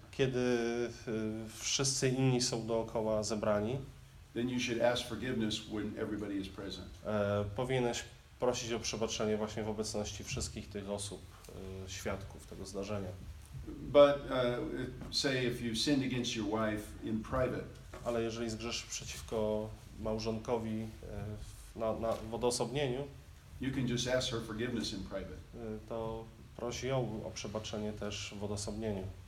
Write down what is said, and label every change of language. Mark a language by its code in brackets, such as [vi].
[pl] Kiedy wszyscy inni są dookoła zebrani. [en] Then you should ask forgiveness when everybody is present. [pl] Powinieneś prosić o przebaczenie właśnie w obecności wszystkich tych osób, świadków tego zdarzenia. [en] But say if you sinned against your wife in private. [pl] Ale jeżeli zgrzeszysz przeciwko małżonkowi w odosobnieniu, [en] you can just ask her forgiveness in private. [pl] To prosi ją o przebaczenie też w odosobnieniu.